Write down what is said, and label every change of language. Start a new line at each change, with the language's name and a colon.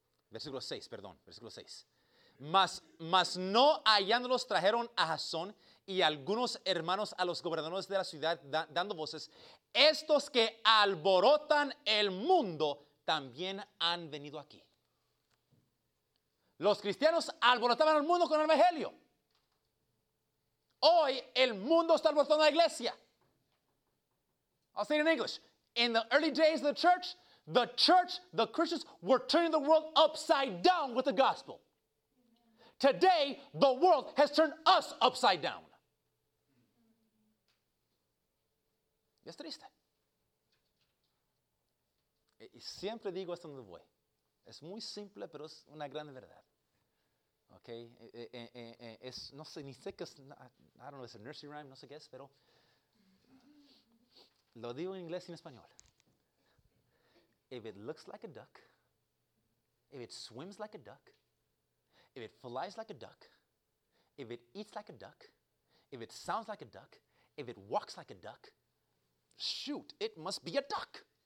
Spanish: Versículo 6. Mas no hallándolos, trajeron a Jasón y algunos hermanos a los gobernadores de la ciudad dando voces. Estos que alborotan el mundo también han venido aquí. Los cristianos alborotaban al mundo con el evangelio. Hoy el mundo está alborotando a la iglesia.
English: I'll say it in English. In the early days of the church, the Christians were turning the world upside down with the gospel. Today, the world has turned us upside down.
Spanish: Y es triste. Y siempre digo esto donde voy. Es muy simple, pero es una gran verdad. Okay, es, no sé, ni sé qué es,
English: I don't know, it's a nursery rhyme,
Spanish: no sé qué es, pero lo digo en inglés y en español.
English: If it looks like a duck, if it swims like a duck, if it flies like a duck, if it eats like a duck, if it sounds like a duck, if it walks like a duck, shoot, it must be a duck.